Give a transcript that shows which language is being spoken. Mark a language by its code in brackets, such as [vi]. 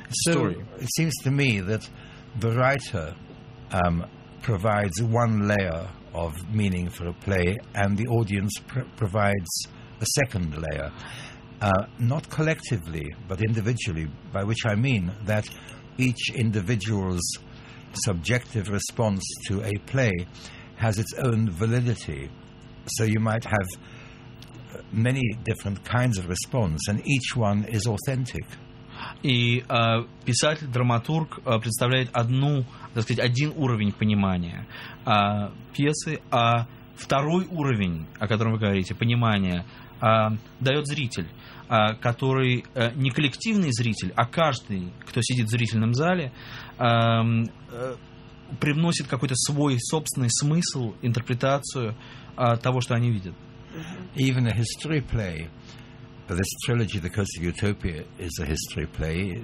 [en] It seems to me that the writer provides one layer of meaning for a play, and the audience provides a second layer, not collectively, but individually, by which I mean that each individual's subjective response to a play has its own validity. So you might have many different kinds of response, and each one is authentic. [ru] И писатель, драматург представляет одну, так сказать, один уровень понимания пьесы, а второй уровень, о котором вы говорите, понимание, дает зритель, который не коллективный зритель, а каждый, кто сидит в зрительном зале, привносит какой-то свой собственный смысл, интерпретацию того, что они видят. [en] Even a history play. This trilogy, The Coast of Utopia, is a history play.